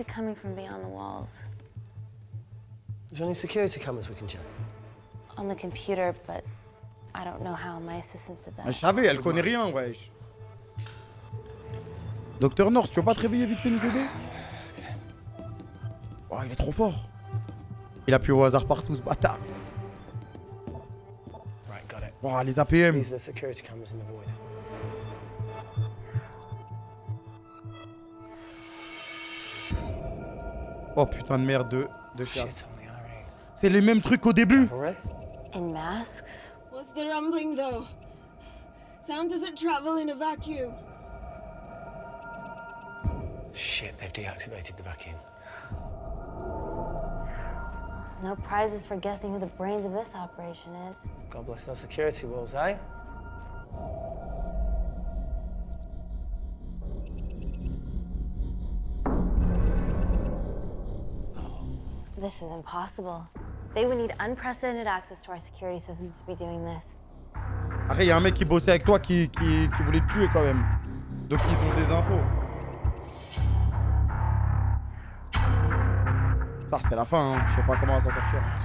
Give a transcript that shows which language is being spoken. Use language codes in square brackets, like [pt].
[en] It's coming from beyond the walls. Is there any security cameras we can check? On the computer, but I don't know how my assistants did that. [fr] Mais je savais, elle connaît rien, wesh. Docteur North, tu veux pas te réveiller vite fait nous aider? Oh, il est trop fort. Il appuie au hasard partout, ce bâtard. [en] Right, got it. [fr] Oh, les APM. [en] These are the security cameras in the void. [fr] Oh putain de merde de chat. C'est les mêmes trucs qu'au début. [en] In masks. What's the rumbling though? Sound doesn't travel in a vacuum. Shit, they've deactivated the vacuum. No prizes for guessing who the brains of this operation is. God bless those security walls, eh? This is impossible. They would need unprecedented access to our security systems to be doing this. [fr] Après, il y a un mec qui bossait avec toi qui voulait te tuer quand même. Donc ils ont des infos. Ça, c'est la fin, hein. Je sais pas comment ça sortir.